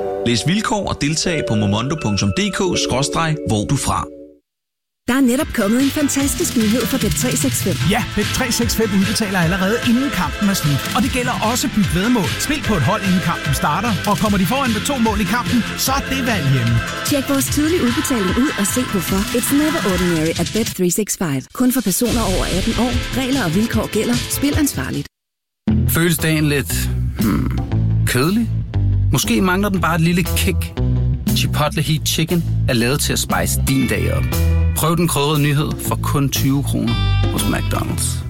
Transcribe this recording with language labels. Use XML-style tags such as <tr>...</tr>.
<da>Læs vilkår og deltag på momondo.dk/hvordufra. Der er netop kommet en fantastisk nyhed fra Bet365. Ja, Bet365 udbetaler allerede inden kampen er slut. Og det gælder også byt vedmål. Spil på et hold, inden kampen starter. Og kommer de foran med 2 mål i kampen, så er det valg hjemme. Tjek vores tidlige udbetaling ud og se hvorfor.</da> <en>It's never ordinary at Bet365.</en> <da>Kun for personer over 18 år. Regler og vilkår gælder. Spil ansvarligt. Føles dagen lidt kedelig? Måske mangler den bare et lille kick. Chipotle Heat Chicken er lavet til at spice din dag op. Prøv den krydrede nyhed for kun 20 kroner hos McDonald's.</da>